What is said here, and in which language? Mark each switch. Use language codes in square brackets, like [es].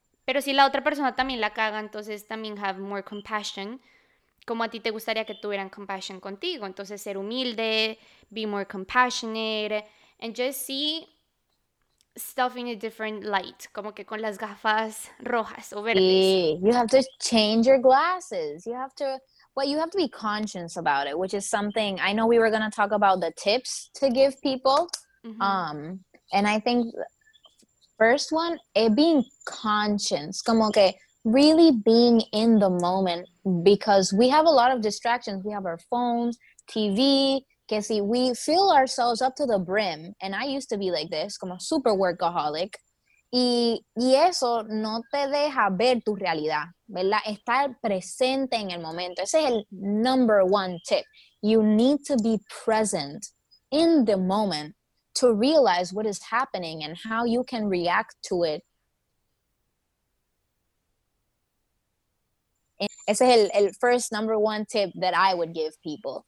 [es] Pero si la otra persona también la caga, entonces también [en] have more compassion. [es] Como a ti te gustaría que tuvieran compassion contigo. Entonces ser humilde, [en] be more compassionate, and just see stuff in a different light. [es] Como que con las gafas rojas o verdes. Sí, [en] you have to change your glasses. You have to... Well, you have to be conscious about it, which is something I know we were going to talk about the tips to give people. Mm-hmm. And I think first one, it being conscious, [es] como que [en] really being in the moment, because we have a lot of distractions. We have our phones, TV, [es] que si [en] we fill ourselves up to the brim. And I used to be like this, [es] como [en] super workaholic. [es] Y eso no te deja ver tu realidad, ¿verdad? Estar presente en el momento. Ese es el [en] number one tip. You need to be present in the moment to realize what is happening and how you can react to it. [es] Ese es el [en] first number one tip that I would give people.